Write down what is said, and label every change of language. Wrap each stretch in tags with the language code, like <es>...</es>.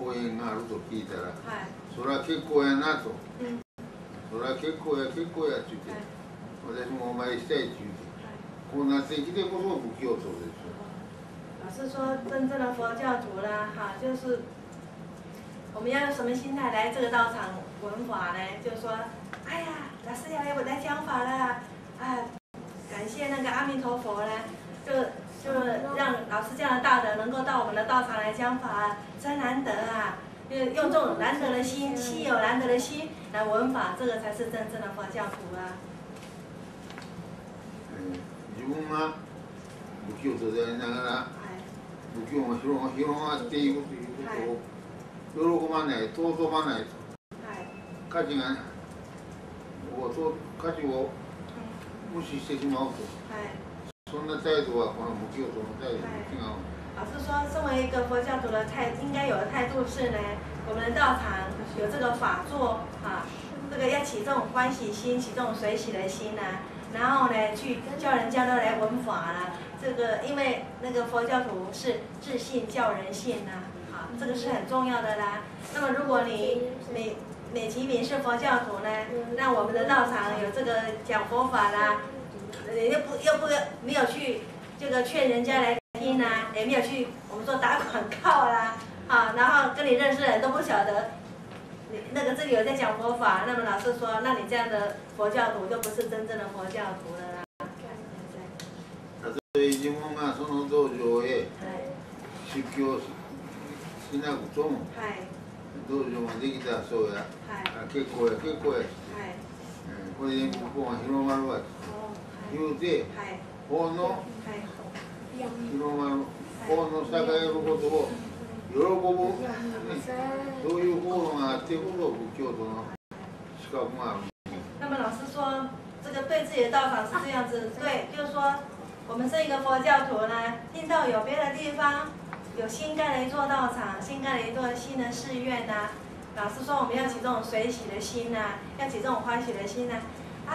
<ja>公園があると聞いたら、はい、そりゃ結構やなと、うん、そりゃ結構や結構やって言って、はい、私もお参りしたいって言って、はい、こうなってきてこそ不器用そうですよ。</ja> <zh>老师说真正的佛教徒啦，哈，就是我们要用什么心态来这个道场闻法呢？就说，哎呀，老师要来我来讲法了，啊，感谢那个阿弥陀佛呢，就让老师这样的大德能够到我们的道场来讲法，真难得啊！用这种难得的心，稀有难得的心来闻法，这个才是真正的佛教徒啊。</zh> <ja>嗯，自分が仏教徒でありながら、仏教を広がっていくということを。喜ばない、尊ばないと、はい、価値がない、価値を無視してしまうと、はい、そんな態度はこの無教徒の態度と違う、はい、</ja> <zh>老师说身为一个佛教徒的态应该有的态度是呢，我们的道场有这个法座、啊、这个要起这种欢喜心，起这种随喜的心、啊、然后呢去叫人家都来闻法、啊、这个因为那个佛教徒是自信教人性、啊，这个是很重要的啦。那么如果你美其名是佛教徒呢，那我们的道场有这个讲佛法啦，又不没有去这个劝人家来听啦，也没有去我们说打广告啦，啊，然后跟你认识的人都不晓得你那个这里有在讲佛法，那么老师说那你这样的佛教徒就不是真正的佛教徒了啦。所以</zh> <ja>自分がその道場へ出家するしなくとも、はい、道場ができたらそうや、はい、結構や結構やし、はい、これで向こうが広まるわと、はい、言うて、はい、法の、はい、広まる、はい、法の栄えることを喜ぶ、はい、ね、そういう法論があってこそ仏教徒の資格もある。</ja> <zh>那么老师说这个对自己的道场是这样子，对，就是说我们这一个佛教徒呢，听到有别的地方有新盖了一座道场，新盖了一座新的寺院呐、啊。老师说我们要起这种随喜的心呐、啊，要起这种欢喜的心呐、啊。</zh>